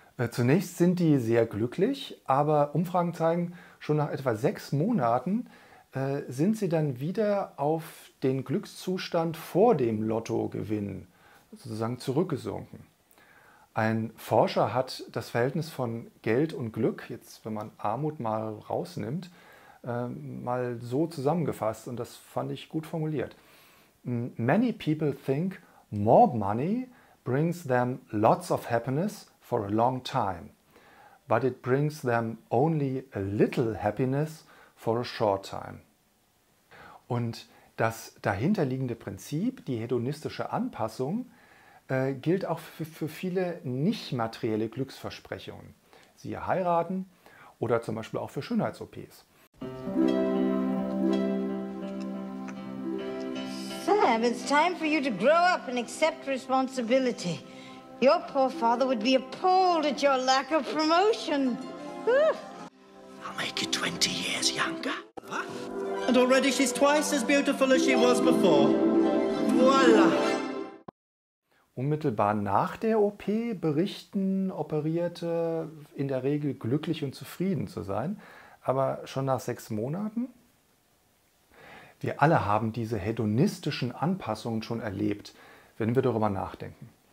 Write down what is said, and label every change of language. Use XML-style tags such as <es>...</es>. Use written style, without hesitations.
<de>Zunächst sind die sehr glücklich, aber Umfragen zeigen, schon nach etwa 6 Monaten sind sie dann wieder auf den Glückszustand vor dem Lottogewinn sozusagen zurückgesunken. Ein Forscher hat das Verhältnis von Geld und Glück, jetzt wenn man Armut mal rausnimmt, mal so zusammengefasst und das fand ich gut formuliert.</de> <en>Many people think more money brings them lots of happiness for a long time, but it brings them only a little happiness for a short time.</en> <de>Und das dahinterliegende Prinzip, die hedonistische Anpassung, gilt auch für viele nicht materielle Glücksversprechungen. Siehe heiraten oder zum Beispiel auch für Schönheits-OPs.</de> <en>Sam, it's time for you to grow up and accept responsibility. Your poor father would be appalled at your lack of promotion. I'll make you 20 years younger. And already she's twice as beautiful as she was before. Voila!</en> <de>Unmittelbar nach der OP berichten Operierte in der Regel glücklich und zufrieden zu sein. Aber schon nach 6 Monaten? Wir alle haben diese hedonistischen Anpassungen schon erlebt, wenn wir darüber nachdenken.</de>